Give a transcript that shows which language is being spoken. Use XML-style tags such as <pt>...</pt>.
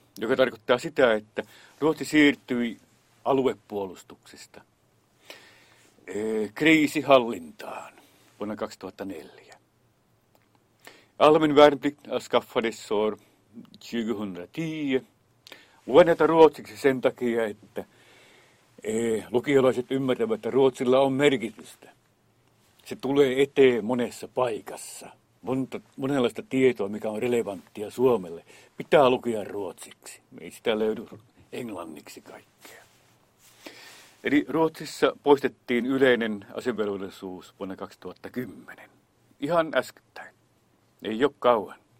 <fi>Joka tarkoittaa sitä, että Ruotsi siirtyi aluepuolustuksesta kriisihallintaan vuonna 2004.</fi> <sv>Allmän värnplikt avskaffades år 2010.</sv> <fi>Luen näitä ruotsiksi sen takia, että lukiolaiset ymmärtävät, että Ruotsilla on merkitystä. Se tulee eteen monessa paikassa. Monenlaista tietoa, mikä on relevanttia Suomelle, pitää lukea ruotsiksi. Me ei sitä löydy englanniksi kaikkea. Eli Ruotsissa poistettiin yleinen asevelvollisuus vuonna 2010. Ihan äskettäin. Ei ole kauan.</fi>